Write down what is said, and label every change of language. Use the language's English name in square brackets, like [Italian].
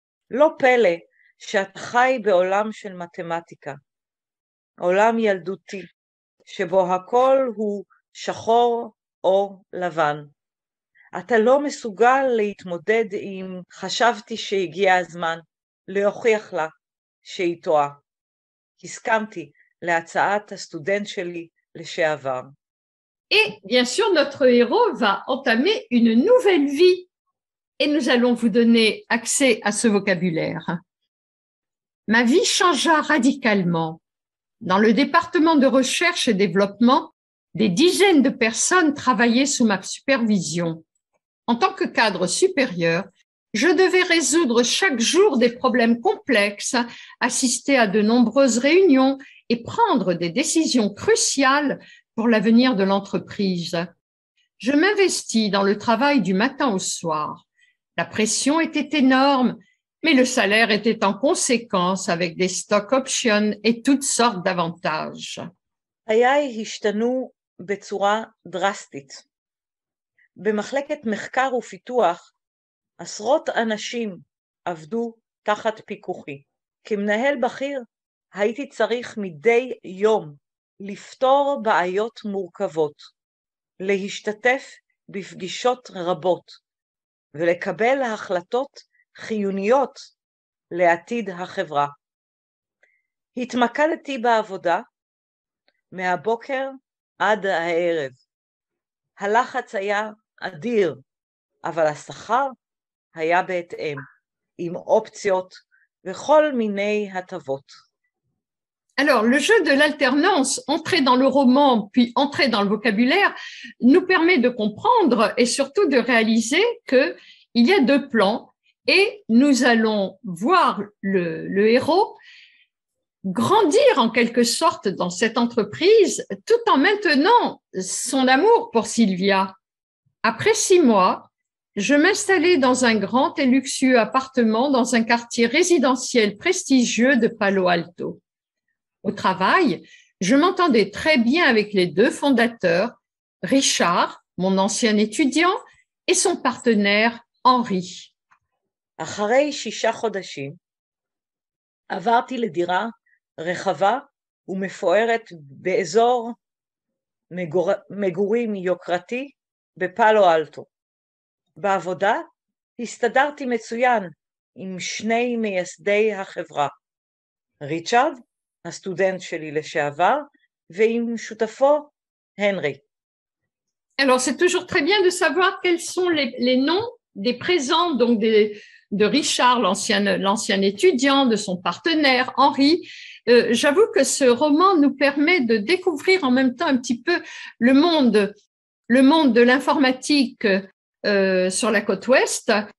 [Hebrew] לא פלא שאת חי בעולם של מתמטיקה, עולם ילדותי, שבו הכל הוא שחור או לבן. אתה לא מסוגל להתמודד עם חשבתי שהגיע הזמן להוכיח לה שהיא טועה. הסכמתי להצעת הסטודנט שלי לשעבר. [French] Et bien sûr, notre héros va entamer une nouvelle vie. Et nous allons vous donner accès à ce vocabulaire. Ma vie changea radicalement. Dans le département de recherche et développement, des dizaines de personnes travaillaient sous ma supervision. En tant que cadre supérieur, je devais résoudre chaque jour des problèmes complexes, assister à de nombreuses réunions et prendre des décisions cruciales pour l'avenir de l'entreprise. Je m'investis dans le travail du matin au soir. La pression était énorme, mais le salaire était en conséquence avec des stock options et toutes sortes d'avantages. [Hebrew] חיי השתנו בצורה דרסטית. במחלקת מחקר ופיתוח, עשרות אנשים עבדו תחת פיקוחי. כמנהל בכיר, הייתי צריך מדי יום לפתור בעיות מורכבות, להשתתף בפגישות רבות. ולקבל החלטות חיוניות לעתיד החברה. התמקדתי בעבודה מהבוקר עד הערב. הלחץ היה אדיר, אבל השכר היה בהתאם, עם אופציות וכל מיני הטבות. [French] Alors, le jeu de l'alternance, entrer dans le roman, puis entrer dans le vocabulaire, nous permet de comprendre et surtout de réaliser que il y a deux plans et nous allons voir le héros grandir en quelque sorte dans cette entreprise tout en maintenant son amour pour Sylvia. Après 6 mois, je m'installais dans un grand et luxueux appartement dans un quartier résidentiel prestigieux de Palo Alto. Au travail, je m'entendais très bien avec les deux fondateurs, Richard, mon ancien étudiant, et son partenaire, אנרי. [Hebrew] אחרי 6 חודשים, עברתי לדירה רחבה ומפוארת באזור מגורים יוקרתי בפאלו אלטו. בעבודה הסתדרתי מצוין עם שני מייסדי החברה, ריצ'רד, הסטודנט שלי לשעבר, ועם שותפו, הנרי. [French] Alors, c'est toujours très bien de savoir quels sont les noms des présents, donc de Richard, l'ancien étudiant, de son partenaire, Henri. J'avoue que ce roman nous permet de découvrir en même temps un petit peu le monde de l'informatique sur la côte ouest.